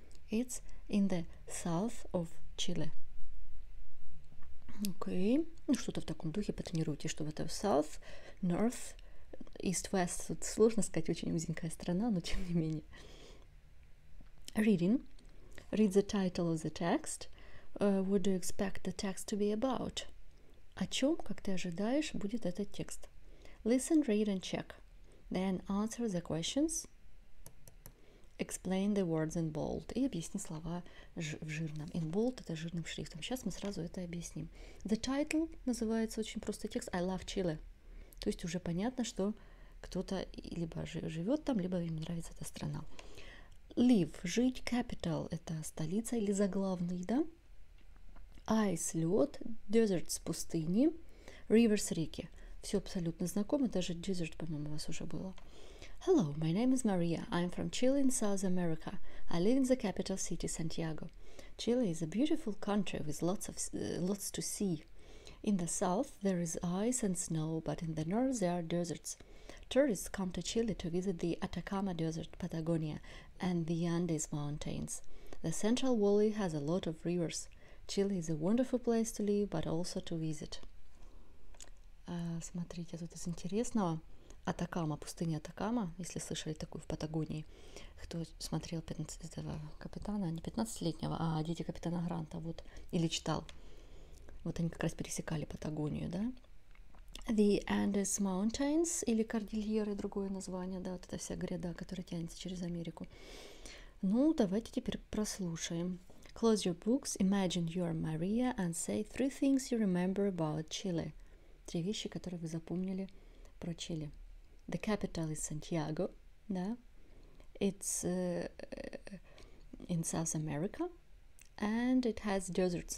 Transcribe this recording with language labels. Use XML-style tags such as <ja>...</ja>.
<en>It's in the south of Chile. Окей.</en> <ru>Ну, что-то в таком духе потренируйте, чтобы это south, north, east-west. Вот сложно сказать, очень узенькая страна, но тем не менее.</ru> <en>Reading. Read the title of the text. What do you expect the text to be about?</en> <ru>О чем, как ты ожидаешь, будет этот текст?</ru> <en>Listen, read and check. Then answer the questions. Explain the words in bold.</en> <ru>И объясни слова в жирном. In bold – это жирным шрифтом. Сейчас мы сразу это объясним.</ru> <en>The title</en> <ru>называется очень просто текст.</ru> <en>I love Chile.</en> <ru>То есть уже понятно, что кто-то либо живет там, либо им нравится эта страна. Live – жить. Capital – это столица или заглавный, да? Ice – лед. Deserts – пустыни. Rivers – реки. Все абсолютно знакомо, даже desert, по-моему, у вас уже было.</ru> <en>Hello, my name is Maria. I'm from Chile in South America. I live in the capital city, Santiago. Chile is a beautiful country with lots to see. In the south, there is ice and snow, but in the north, there are deserts. Tourists come to Chile to visit the Atacama Desert, Patagonia, and the Andes Mountains. The central valley has a lot of rivers. Chile is a wonderful place to live, but also to visit.</en> <ru>Смотрите, тут из интересного. Атакама, пустыня Атакама, если слышали такую в Патагонии. Кто смотрел 15-летнего капитана, не 15-летнего, а дети капитана Гранта, вот, или читал. Вот они как раз пересекали Патагонию, да? The Andes Mountains, или Кордильеры, другое название, да, вот эта вся гряда, которая тянется через Америку. Ну, давайте теперь прослушаем.</ru> <en>Close your books, imagine you're Maria, and say three things you remember about Chile.</en> <ru>Три вещи, которые вы запомнили про Чили.</ru> <en>The capital is Santiago, да. It's in South America, and it has deserts,</en>